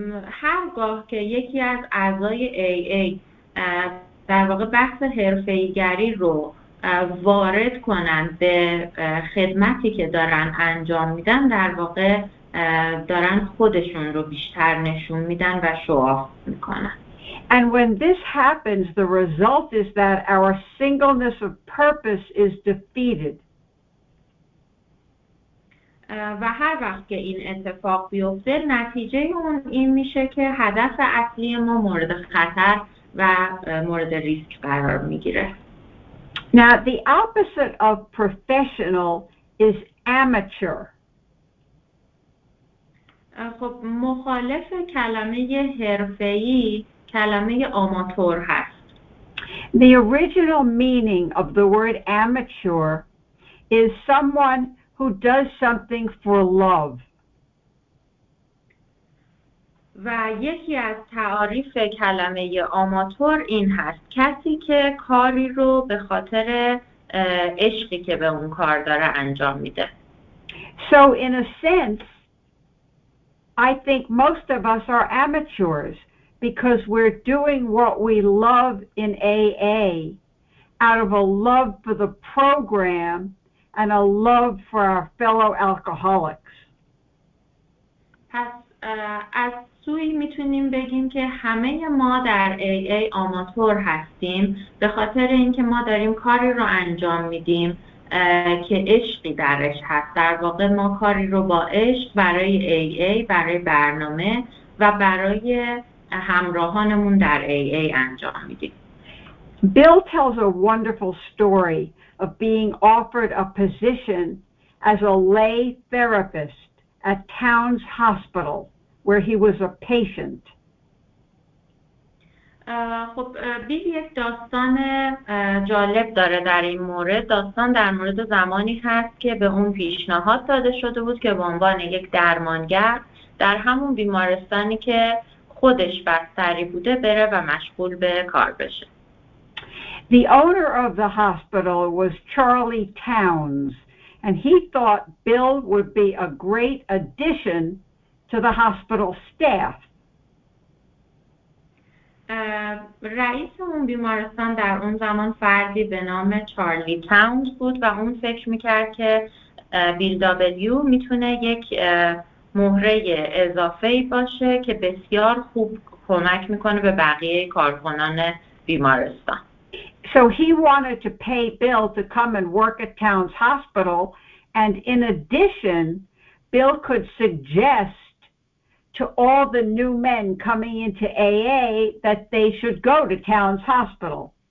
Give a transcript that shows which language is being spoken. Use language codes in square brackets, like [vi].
[fa] هرگاه که یکی از اعضای AA در واقع بحث حرفه‌ای‌گری رو وارد کنن به خدمتی که دارن انجام میدن، در واقع دارن خودشون رو بیشتر نشون میدن و شوآف میکنن. [en] And when this happens, the result is that our singleness of purpose is defeated. [fa] و هر وقت که این اتفاق بیفته، نتیجه اون این میشه که هدف اصلی ما مورد خطر و مورد ریسک قرار میگیره. [en] Now, the opposite of professional is amateur. [fa] خب مخالف کلمه حرفه‌ای کلمه آماتور هست. [en] The original meaning of the word amateur is someone who does something for love. [fa] و یکی از تعاریف کلمه آماتور این هست، کسی که کاری رو به خاطر عشقی که به اون کار داره انجام میده. [en] So in a sense, I think most of us are amateurs. Because we're doing what we love in AA out of a love for the program and a love for our fellow alcoholics. [fa] پس از سوی میتونیم بگیم که همه ما در AA آماتور هستیم به خاطر اینکه ما داریم کاری رو انجام میدیم که عشقی درش هست. در واقع ما کاری رو با عشق برای AA، برای برنامه و برای همراهانمون در AA انجام میدیم. [en] Bill tells a wonderful story of being offered a position as a lay therapist at Towns Hospital where he was a patient. [fa] خب بیل یک داستان جالب داره در این مورد. داستان در مورد زمانی هست که به اون پیشنهاد داده شده بود که به عنوان یک درمانگر در همون بیمارستانی که خودش بستری بوده بره و مشغول به کار بشه. [en] The owner of the hospital was Charlie Towns and he thought Bill would be a great addition to the hospital staff. [fa] رئیس اون بیمارستان در اون زمان فردی به نام چارلی تاونز بود و اون فکر میکرد که بیل دابلیو میتونه یک مهره اضافه‌ای باشه که بسیار خوب کمک میکنه به بقیه کارکنان بیمارستان. [en] So he wanted to pay Bill to come and work at Towns Hospital and in addition Bill could suggest to all the new men coming into AA that they should go to Towns Hospital.